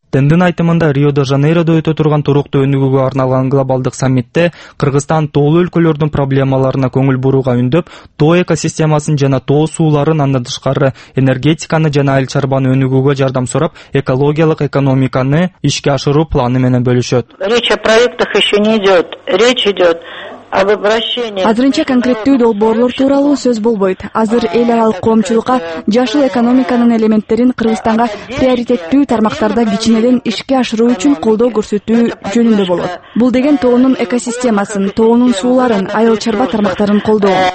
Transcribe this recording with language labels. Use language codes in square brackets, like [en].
[ky] Тендин айтымында Рио-де-Жанейрода өтө турган туруктуу өнүгүүгө арналган глобалдык саммитте Кыргызстан тоолуу өлкөлөрдүн проблемаларына көңүл бурууга үндөп, тоо экосистемасын жана тоо сууларын андан тышкары энергетиканы жана айыл чарбаны өнүгүүгө жардам сурап, экологиялык экономиканы ишке ашыруу планы менен бөлүшөт. [ru] Речь о проектах еще не идет. Речь идет [ky] Азырынча конкреттүү долбоорлор тууралуу сөз болбойт. Азыр эл аралык коомчулукка жашыл экономиканын элементтерин Кыргызстанга приоритеттүү тармактарда кичинеден ишке ашыруу үчүн колдоо көрсөтүү жөнүндө болот. Бул деген тоонун экосистемасын, тоонун сууларын, айыл чарба тармактарын колдоо.